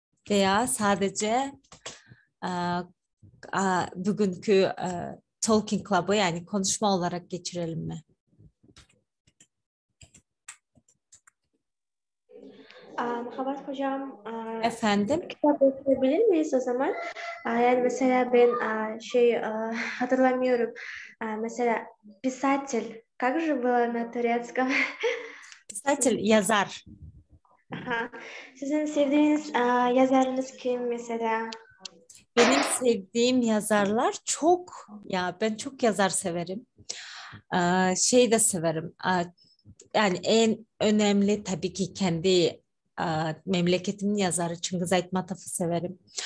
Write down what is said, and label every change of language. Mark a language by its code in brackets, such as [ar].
[tr] Veya sadece bugünkü Talking Club'ı yani konuşma olarak geçirelim mi? Havas hocam, Efendim? kitap okuyabilir miyiz o zaman? Yani mesela ben hatırlamıyorum. [ru] Mesela писатель, как же было на турецком? Писатель, yazar. [tr] Sizin sevdiğiniz yazarınız kim mesela? Benim sevdiğim yazarlar çok, ya ben çok yazar severim. Şey de severim. Yani en önemli tabii ki kendi memleketimin yazarı Çıngız Aytmatov'u severim.